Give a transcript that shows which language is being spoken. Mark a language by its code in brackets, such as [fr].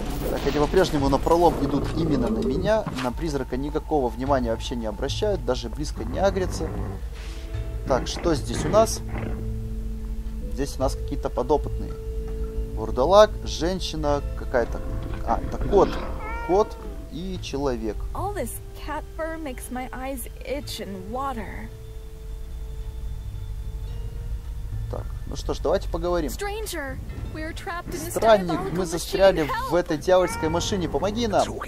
[ru] Так, они по-прежнему на пролом идут именно на меня. На призрака никакого внимания вообще не обращают, даже близко не агрятся. Так, что здесь у нас? Здесь у нас какие-то подопытные. Вурдалак, женщина какая-то. А, это кот. Кот и человек. [en] All this cat fur makes my eyes itch and water. [ru] Так, ну что ж, давайте поговорим. [en] Stranger, we're trapped in this [ru] Странник, мы застряли в этой дьявольской машине, помоги нам.